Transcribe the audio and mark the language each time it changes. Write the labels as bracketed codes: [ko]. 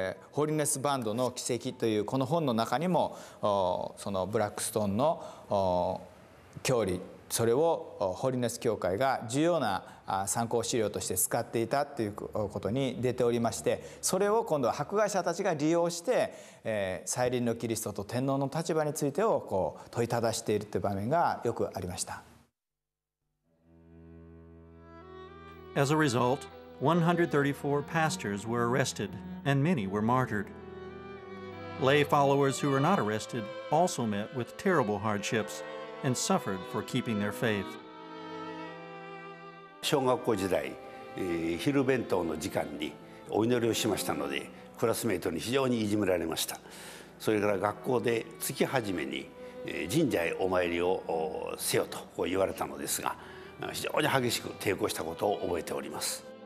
[ja] ホーリネスバンドの奇跡というこの本の中にも、そのブラックストーンの教理、それをホーリネス教会が重要な参考資料として使っていたということに出ておりまして、それを今度は迫害者たちが利用して、再臨のキリストと天皇の立場についてをこう問いただしているという場面がよくありました。 [en] As a result, 134 pastors were arrested and many were martyred. Lay followers who were not arrested also met with terrible hardships and suffered for keeping their faith. [ja] 小学校時代、昼弁当の時間にお祈りをしましたので、クラスメートに非常にいじめられました。それから学校で月初めに、神社へお参りをせよとこう言われたのですが、非常に激しく抵抗したことを覚えております。